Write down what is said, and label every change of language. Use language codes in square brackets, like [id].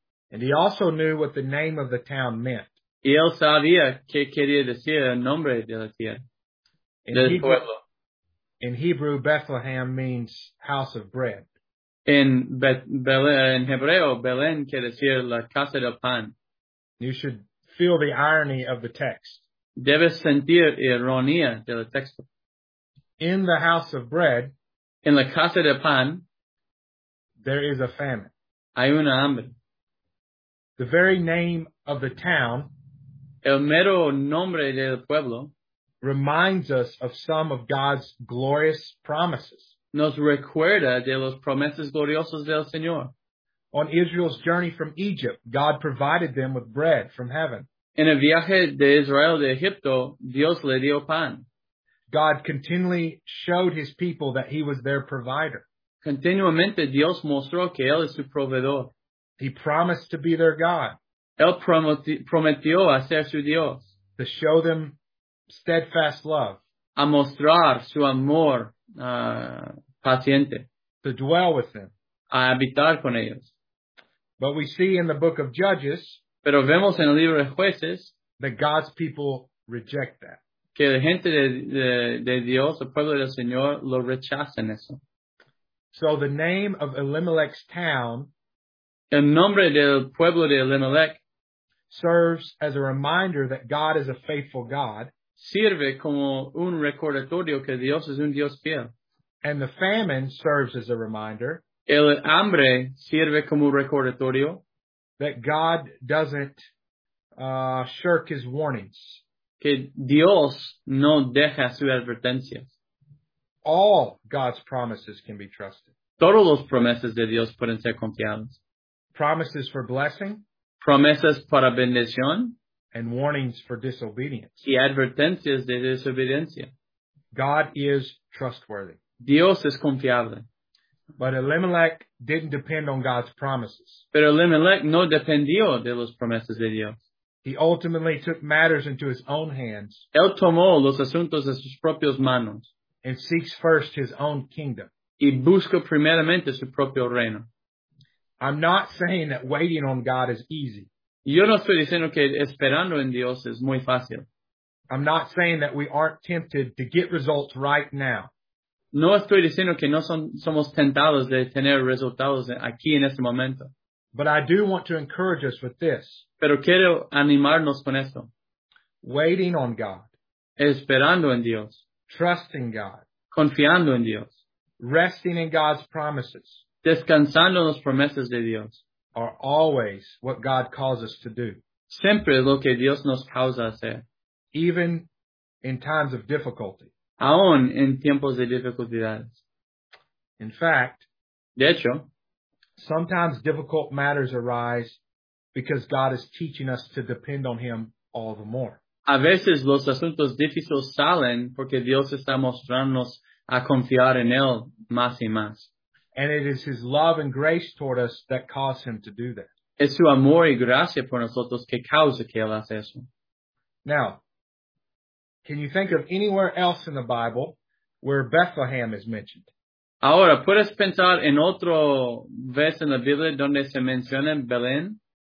[en] And he also knew what the name of the town meant. [es] Y él sabía qué quería decir el nombre de la tierra. [en] In Hebrew, Bethlehem means house of bread. [es] En Hebreo, Belén quiere decir la casa del pan. [en] You should feel the irony of the text. [es] Debes sentir ironía del texto. [en] In the house of bread. In [es] la casa de pan. [en] There is a famine. [es] Hay una hambre. [en] The very name of the town. [es] El mero nombre del pueblo. [en] Reminds us of some of God's glorious promises. [es] Nos recuerda de las promesas gloriosas del Señor. [en] On Israel's journey from Egypt, God provided them with bread from heaven. [es] En el viaje de Israel de Egipto, Dios le dio pan. [en] God continually showed his people that he was their provider. [es] Continuamente Dios mostró que él es su proveedor. [en] He promised to be their God. [es] Él prometió a ser su Dios. [en] To show them steadfast love. [es] A mostrar su amor paciente. [en] To dwell with them. [es] A habitar con ellos. [en] But we see in the book of Judges. [es] Pero vemos en el libro de jueces. [en] That God's people reject that. [es] Que la gente de Dios, el pueblo del Señor, lo rechazan eso. [en] So the name of Elimelech's town [es] el nombre del pueblo de Elimelech [en] serves as a reminder that God is a faithful God. [es] Sirve como un recordatorio que Dios es un Dios fiel. [en] And the famine serves as a reminder. [es] El hambre sirve como recordatorio. [en] That God doesn't shirk his warnings. [es] Que Dios no deja su advertencia. [en] All God's promises can be trusted. [es] Todos los promesas de Dios pueden ser confiados. [en] Promises for blessing. [es] Promesas para bendición. [en] And warnings for disobedience. [es] Y advertencias de desobediencia. [en] God is trustworthy. [es] Dios es confiable. [en] But Elimelech didn't depend on God's promises. [es] Pero Elimelech no dependió de las promesas de Dios. [en] He ultimately took matters into his own hands. [es] Él tomó los asuntos de sus propias manos. [en] And seeks first his own kingdom. [es] Y busca primeramente su propio reino. [en] I'm not saying that waiting on God is easy. [es] Yo no estoy diciendo que esperando en Dios es muy fácil. [en] I'm not saying that we aren't tempted to get results right now. [es] No estoy diciendo que no somos tentados de tener resultados aquí en este momento. [en] But I do want to encourage us with this. [es] Pero quiero animarnos con esto. [en] Waiting on God. [es] Esperando en Dios. [en] Trusting God. [es] Confiando en Dios. [en] Resting in God's promises. [es] Descansando en las promesas de Dios. [en] Are always what God calls us to do. [es] Siempre lo que Dios nos causa hacer. [en] Even in times of difficulty. [es] Aún en tiempos de dificultades. [en] In fact, [es] de hecho, [en] sometimes difficult matters arise because God is teaching us to depend on Him all the more. [es] A veces los asuntos difíciles salen porque Dios está mostrándonos a confiar en Él más y más. [en] And it is His love and grace toward us that cause Him to do that. [es] Es su amor y gracia por nosotros que causa que Él hace eso. [en] Now, can you think of anywhere else in the Bible where Bethlehem is mentioned? [es] Ahora, ¿puedes pensar en otro vez en la Biblia donde se menciona Belén?